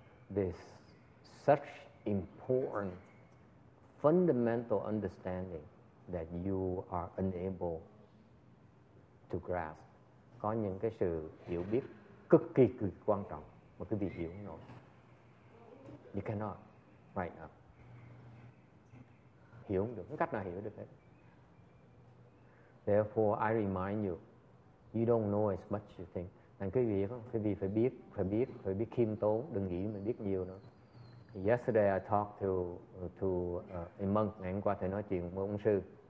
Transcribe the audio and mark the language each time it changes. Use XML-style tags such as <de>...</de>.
<en>This such important fundamental understanding that you are unable to grasp.</en> <vi>Có những cái sự hiểu biết cực kỳ cực quan trọng mà quý vị hiểu không nổi.</vi> <en>You cannot. Right now.</en> <vi>Hiểu không được, không cách nào hiểu được hết.</vi> <en>Therefore, I remind you, you don't know as much as you think.</en> <vi>Nên quý vị phải biết khiêm tốn, đừng nghĩ mình biết nhiều nữa.</vi> <en>Yesterday, I talked to a monk,</en> <vi>ngày hôm qua thầy nói chuyện với ông sư.</vi>